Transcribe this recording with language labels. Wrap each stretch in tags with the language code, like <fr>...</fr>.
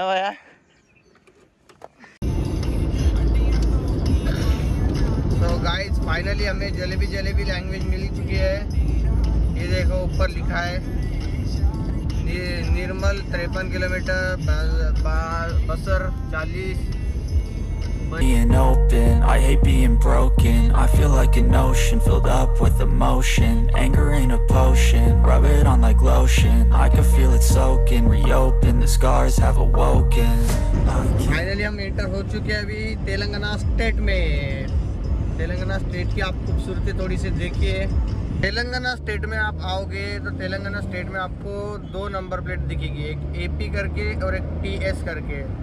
<hi>है भैया, तो गाइस फाइनली हमें जलेबी जलेबी लैंग्वेज मिल चुकी है, ये देखो ऊपर लिखा है निर्मल 53 किलोमीटर, बसर 40,</hi> <en>Being open, I hate being broken. I feel like an ocean filled up with emotion. Anger ain't a potion, rub it on like lotion. I can feel it soaking, reopen, the scars have awoken.</en> <hi>Finally, हम enter हो चुके हैं अभी Telangana state में. Telangana state की आप खूबसूरती थोड़ी सी देखिए. तेलंगाना स्टेट में आप आओगे तो तेलंगाना स्टेट में आपको दो नंबर प्लेट दिखेगी, एक AP करके और एक TS करके.</hi>